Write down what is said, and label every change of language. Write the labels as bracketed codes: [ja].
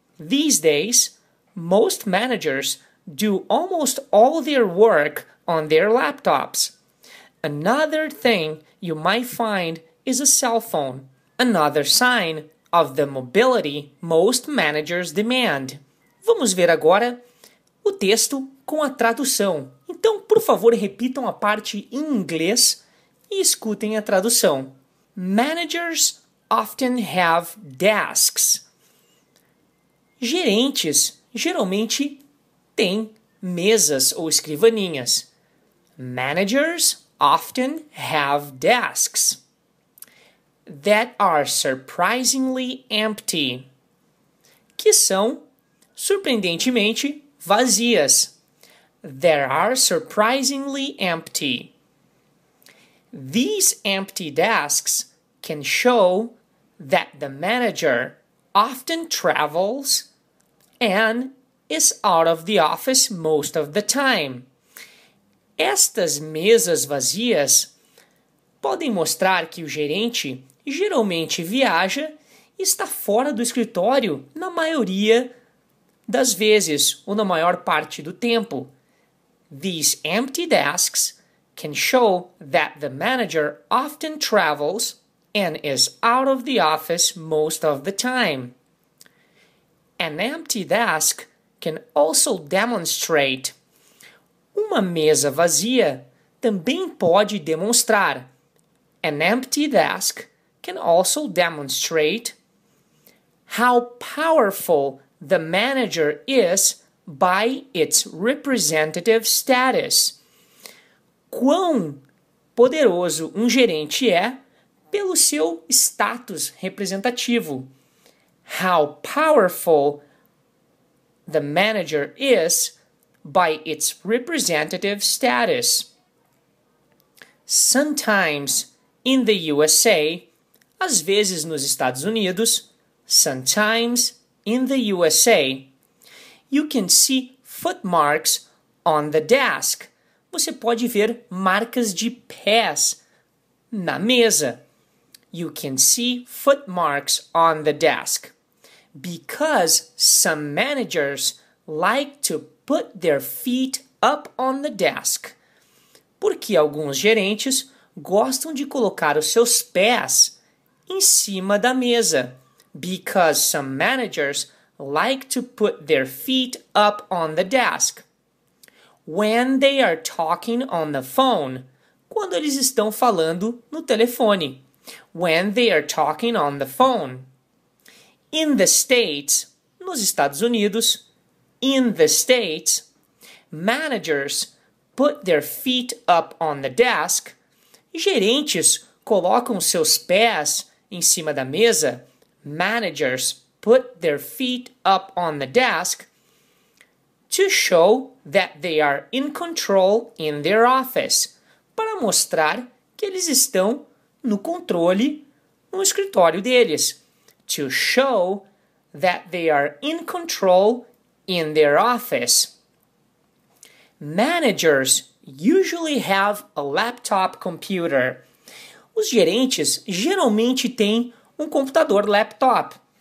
[en] These days, most managers do almost all their work on their laptops. Another thing you might find is a cell phone. Another sign of the mobility most managers demand. [pt] Vamos ver agora o texto com a tradução. Então, por favor, repitam a parte em inglês e escutem a tradução. [en] Managers often have desks. [pt] Gerentes geralmente têm mesas ou escrivaninhas. [en] Managers often have desks that are surprisingly empty, [pt] que são surpreendentemente vazias. [en] There are surprisingly empty. These empty desks can show that the manager often travels and is out of the office most of the time. [pt] Estas mesas vazias podem mostrar que o gerente geralmente viaja e está fora do escritório na maioria das vezes ou na maior parte do tempo. [en] These empty desks can show that the manager often travels and is out of the office most of the time. An empty desk can also demonstrate. [pt] Uma mesa vazia também pode demonstrar. [en] An empty desk can also demonstrate how powerful the manager is by its representative status. [pt] Quão poderoso um gerente é pelo seu status representativo. [en] How powerful the manager is by its representative status. Sometimes in the USA, [pt] às vezes nos Estados Unidos, [en] sometimes in the USA, you can see footmarks on the desk. [pt] Você pode ver marcas de pés na mesa. [en] You can see footmarks on the desk. Because some managers like to put their feet up on the desk. [pt] Porque alguns gerentes gostam de colocar os seus pés em cima da mesa. [en] Because some managers like to put their feet up on the desk. When they are talking on the phone. [pt] Quando eles estão falando no telefone. [en] When they are talking on the phone. In the States. [pt] Nos Estados Unidos. [en] In the States, managers put their feet up on the desk. [pt] Gerentes colocam seus pés em cima da mesa. [en] Managers put their feet up on the desk to show that they are in control in their office. [pt] para mostrar que eles estão no controle no escritório deles. [en] To show that they are in control in their office. Managers usually have a laptop computer. [pt] Os gerentes geralmente têm um computador laptop.